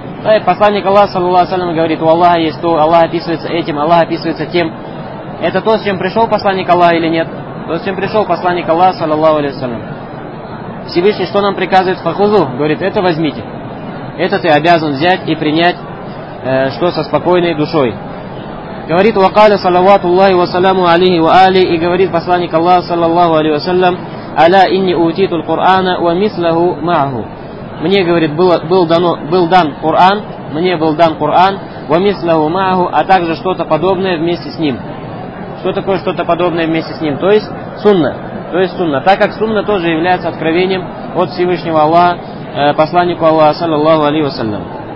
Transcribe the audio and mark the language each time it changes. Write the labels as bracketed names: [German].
[Russian] Так, посланник Аллаха, саллаллаху алейхи ва саллям, говорит, у Аллаха есть то, Аллах описывается этим, Аллах описывается тем. Это то, с чем пришел посланник Аллаха или нет? То, с чем пришел посланник Аллаха, саллаллаху алейхи ва саллям. Всевышний что нам приказывает? Фахузу, говорит, это возьмите. Это ты обязан взять и принять, что со спокойной душой. Говорит, [Arabic] وَقَالَ صَلَوَاتُ اللَّهِ وَسَلَامُ عَلِهِ وَآلِهِ [Russian] и говорит посланник Аллаха, саллаллаху алейхи вассалям, [Arabic] أَلَا إِنِّي أُوتِيتُ الْقُرْآنَ وَمِثْلَهُ مَعْهُ. [Russian] Мне, говорит, был дан Коран, [Arabic] وَمِثْلَهُ مَعْهُ, [Russian] а также что-то подобное вместе с ним. Что такое что-то подобное вместе с ним? То есть сунна. Так как сунна тоже является откровением от Всевышнего Аллаха, посланнику Аллаха, саллаллаху алейхи вассалям.